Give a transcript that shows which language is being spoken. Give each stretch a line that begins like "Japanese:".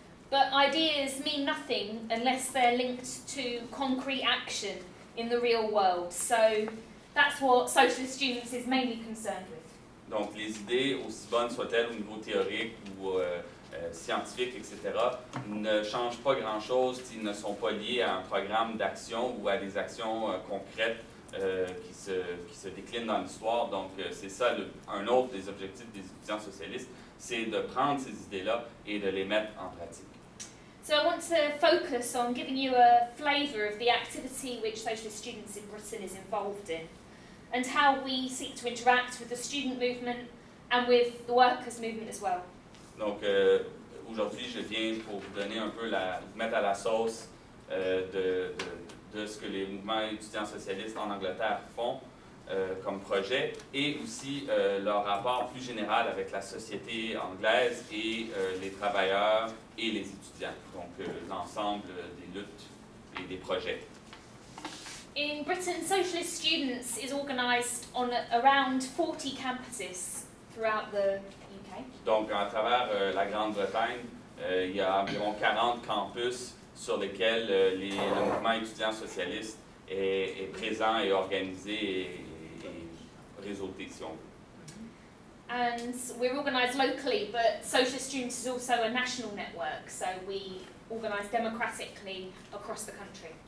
English: But ideas mean nothing unless they're linked to concrete action in the real world. So that's what socialist students is mainly concerned with.
French: Donc les idées, aussi bonnes soient-elles au niveau théorique ou scientifique, etc., ne changent pas grand-chose s'ils ne sont pas liés à un programme d'action ou à des actions concrètes qui se décline dans l'histoire. Donc, c'est ça un autre des objectifs des étudiants socialistes, c'est de prendre ces idées-là et de les mettre en pratique.
English: So I want to focus on giving you a flavor of the activity which socialist students in Britain is involved in. and how we seek to interact with the student movement and with the workers' movement as well.
French: Donc, aujourd'hui, je viens pour vous donner un peu la, mettre à la sauce de ce que les mouvements étudiants socialistes en Angleterre font comme projet et aussi leur rapport plus général avec la société anglaise et les travailleurs et les étudiants, donc l'ensemble des luttes et des projets.
English: In Britain, Socialist Students is organized on around 40 campuses throughout the UK.
French: Donc, à travers la Grande-Bretagne, il y a environ 40 campus sur lesquels le mouvement étudiant socialiste est présent et organisé et réseauté, si on veut.
English: And we're organized locally, but Socialist Students is also a national network, so we organize democratically across the country.